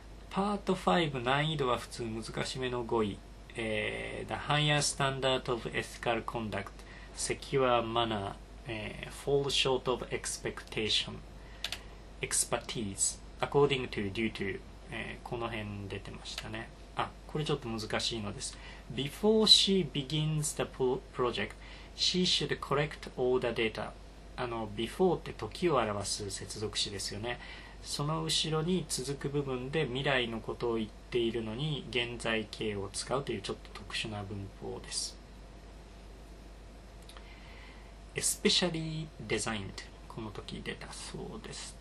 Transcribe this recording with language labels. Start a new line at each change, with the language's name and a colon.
Japanese: パート5、難易度は普通難しめの5位、 The Higher Standard of Ethical Conduct Secure Manner、Fall Short of Expectation Expertise According to Due to、この辺出てましたね。あ、これちょっと難しいのです。
English: Before she begins the project, she should collect all the data.
Japanese: あの、before って時を表す接続詞ですよね。その後ろに続く部分で未来のことを言っているのに現在形を使うというちょっと特殊な文法です。 Especially designed. この時出たそうです。